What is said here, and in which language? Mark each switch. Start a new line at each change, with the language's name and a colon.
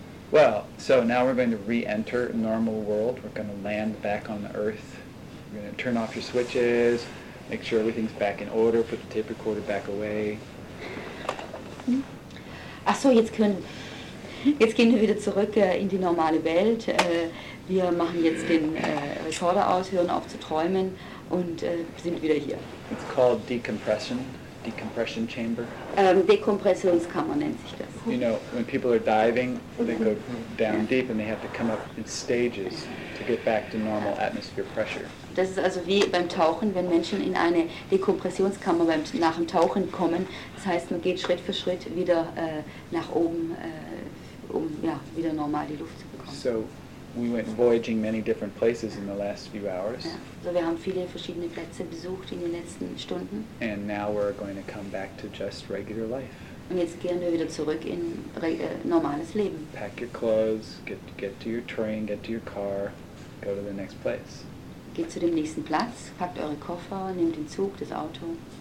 English: Well, so now we're going to re-enter normal world. We're going to land back on the earth. You're going to turn off your switches, make sure everything's back in order, put the tape recorder back away.
German: Ach so, jetzt gehen wir wieder zurück in die normale Welt. Wir machen jetzt den Recorder aus, hören auf zu träumen und sind wieder hier.
English: It's called decompression, decompression chamber.
German: Dekompressionskammer nennt sich das.
English: You know, when people are diving, they go down deep and they have to come up in stages to get back to normal atmosphere pressure.
German: Das ist also wie beim Tauchen, wenn Menschen in eine Dekompressionskammer nach dem Tauchen kommen. Das heißt, man geht Schritt für Schritt wieder nach oben, um ja, wieder normal die Luft zu bekommen.
English: So, we went voyaging many different places in the last few hours.
German: Ja, so wir haben viele verschiedene Plätze besucht in den letzten Stunden.
English: And now we're going to come back to just regular life.
German: Und jetzt gehen wir wieder zurück in normales Leben.
English: Pack your clothes, get to your train, get to your car, go to the next place.
German: Geht zu dem nächsten Platz, packt eure Koffer, nehmt den Zug, das Auto.